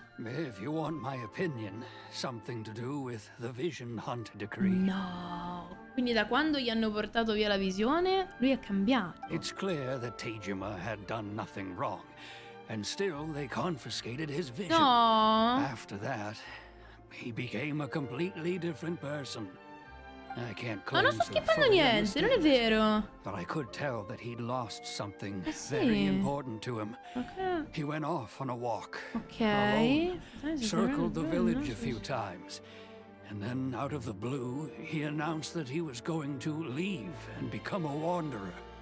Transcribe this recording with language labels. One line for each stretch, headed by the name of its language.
English: If you want my opinion, something to do with the Vision Hunter decree. No.
Italian: Quindi da quando gli hanno portato via la visione, lui è cambiato.
English: It's clear that Tejima had done nothing wrong, and still they confiscated his vision. No. After that, he became a completely different person. I can't claim.
Italian: Ma non sto schippando niente, non è vero.
English: But I could tell that he'd lost something very important to him. Okay. He went off on a walk. Okay. Alone, circled the village a few times. And then out of the blue, he announced that he was going to leave and become a wanderer.